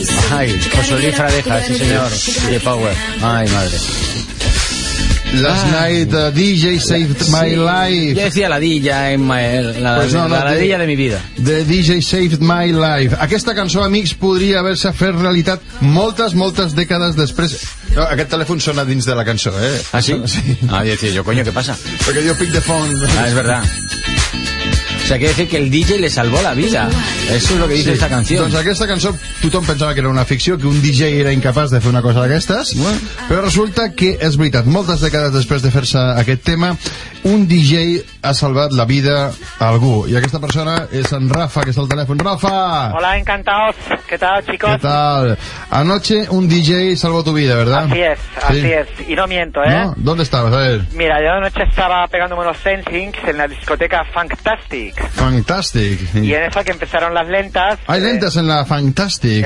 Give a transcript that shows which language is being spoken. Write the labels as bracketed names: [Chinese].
[Spanish] Ay, José Luis Fradeja, sí señor. J Power. Ay, madre. [English] Last night DJ saved my life. [Spanish] Yo decía la DJ en la DJ de mi vida. [English] The DJ saved my life. [Catalan] Aquesta cançó, amics, podria haver-se fet realitat moltes dècades després. No, aquest telèfon sona dins de la cançó, eh? Ah, sí? [Spanish] Ah, yo decía yo, coño, ¿qué pasa? Porque yo [English] pick the phone. [Spanish] Ah, es verdad. O sea, quiere decir que el DJ le salvó la vida. Eso es lo que dice esta canción. [Catalan] Entonces, aquesta cançó, tothom pensava que era una ficció, que un DJ era incapaç de fer una cosa d'aquestes, però resulta que és veritat. Moltes dècades després de fer-se aquest tema, un DJ ha salvat la vida a algú. I aquesta persona és en Rafa, que és al telèfon. Rafa! [Spanish] Hola, encantados. ¿Qué tal, chicos? ¿Qué tal? Anoche un DJ salvó tu vida, ¿verdad? Así es. Y no miento, ¿eh? ¿No? ¿Dónde estabas? A ver. Mira, yo anoche estaba pegándome unos sensings en la discoteca Fantastic. Y en esa que empezaron las lentas. Hay lentas en la Fantastic.